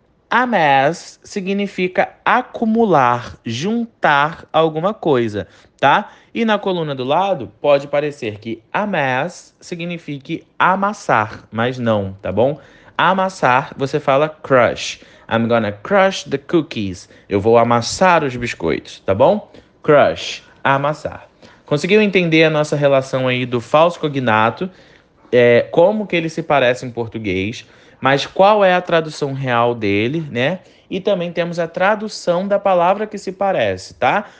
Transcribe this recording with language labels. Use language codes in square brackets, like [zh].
[pt] Amass significa acumular, juntar alguma coisa, tá? E na coluna do lado, pode parecer que amass signifique amassar, mas não, tá bom? Amassar, você fala crush. [en] I'm gonna crush the cookies. [pt] Eu vou amassar os biscoitos, tá bom? Crush, amassar. Conseguiu entender a nossa relação aí do falso cognato, como que ele se parece em português, mas qual é a tradução real dele, né? E também temos a tradução da palavra que se parece, tá?